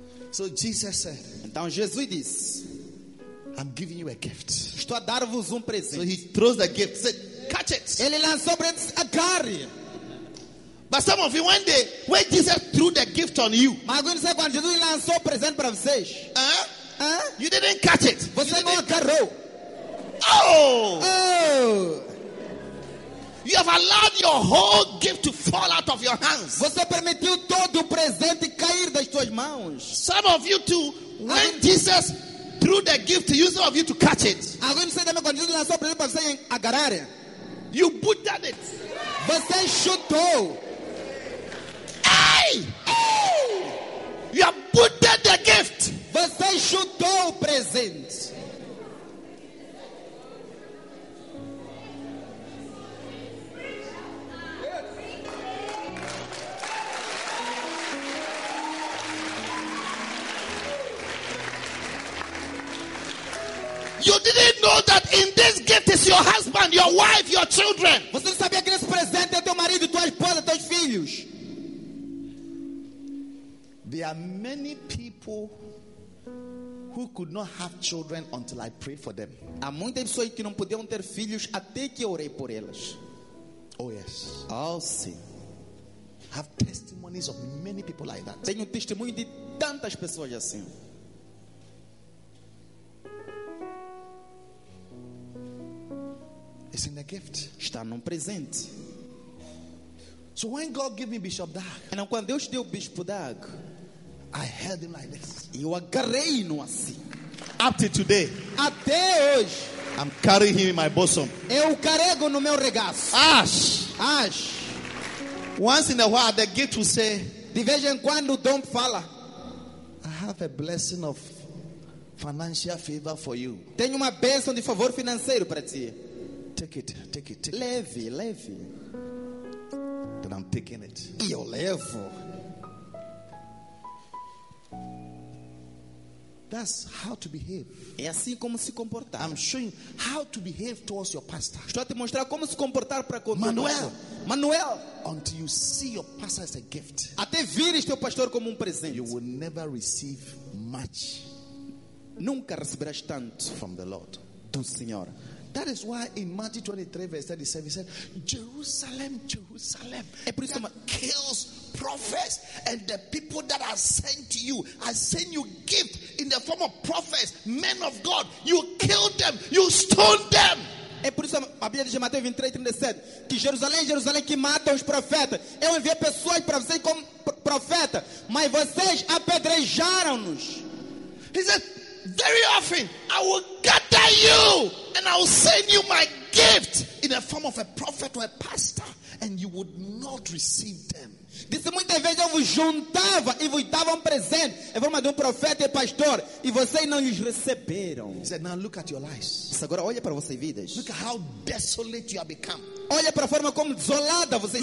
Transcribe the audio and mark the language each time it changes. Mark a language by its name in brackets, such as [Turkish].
[English] So Jesus said. [Portuguese] Então Jesus disse. [English] I'm giving you a gift. [Portuguese] Estou a dar-vos presente. [English] So he throws the gift. Said, catch it. [Portuguese] Ele lançou para ele, agarre. [English] But some of you, one day, when Jesus threw the gift on you, [Portuguese] mas alguém disse, quando Jesus lançou presente para vocês, [English] you didn't catch it. [Portuguese] Você [English] you [Portuguese] não agarrou. Oh! Oh! [English] You have allowed your whole gift to fall out of your hands. [Portuguese] Você permitiu todo o presente cair das suas mãos. [English] Some of you too, when Jesus threw the gift to you, some of you to catch it. [Portuguese] Alguém disse, quando Jesus lançou presente para vocês, agarrar. [English] You booted it. [Portuguese] Você chutou. Hey! Hey! [English] You have booted the gift. [Portuguese] Você chutou o presente. [English] You didn't know that in this gift is your husband, your wife, your children. [Portuguese] Você não sabia que nesse presente é teu marido, tua esposa, teus filhos. [English] There are many people who could not have children until I pray for them. [Portuguese] Há muitas pessoas que não podiam ter filhos até que eu orei por elas. [English] Oh yes. [Portuguese] Oh sim. [English] I have testimonies of many people like that. [Portuguese] Tenho testemunho de tantas pessoas assim. [English] It's in the gift. [Portuguese] Está num presente. [English] So when God gave me Bishop Doug, [Portuguese] então quando Deus deu Bispo Doug, [English] I held him like this. [Portuguese] Eu agarrei-no assim. [English] Up to today. [Portuguese] Até hoje. [English] I'm carrying him in my bosom. [Portuguese] Eu carrego no meu regaço. Ash. Ash. [English] Once in a while, the gift will say. [Portuguese] De vez em quando, Dom fala. [English] I have a blessing of financial favor for you. [Portuguese] Tenho uma bênção de favor financeiro para ti. [English] Take it, take it, take it. [Portuguese] Leve, leve. [English] Then I'm taking it. [Portuguese] E eu levo. [English] That's how to behave. [Portuguese] É assim como se comportar. [English] I'm showing how to behave towards your pastor. [Portuguese] Estou a te mostrar como se comportar para com Manuel. Manuel. [English] Until you see your pastor as a gift. [Portuguese] Até vires teu pastor como presente. [English] You will never receive much. [Portuguese] Nunca receberás tanto [English] from the Lord. [Portuguese] Do Senhor. [English] That is why in Matthew 23 verse 37 he said, Jerusalem, Jerusalem, that kills prophets and the people that are sent to you, I send you gift in the form of prophets, men of God, you killed them, you stoned them. [Portuguese] É por isso a Bíblia diz em Mateus 23, 37, que Jerusalém, Jerusalém que mata os profetas. Eu enviei pessoas para vocês como profeta, mas vocês apedrejaram-nos. [English] He said, very often I will gather you and I will send you my gift in the form of a prophet or a pastor and you would not receive them. [Portuguese] Disse muitas vezes eu vos juntava e vos dava um presente em forma de um profeta e pastor e vocês não os receberam. [English] He said, now look at your lives. [Portuguese] Disse, agora olha para vossas vidas. [English] Look at how desolate you have become. [Portuguese] Olha para a forma como desolada vocês estão.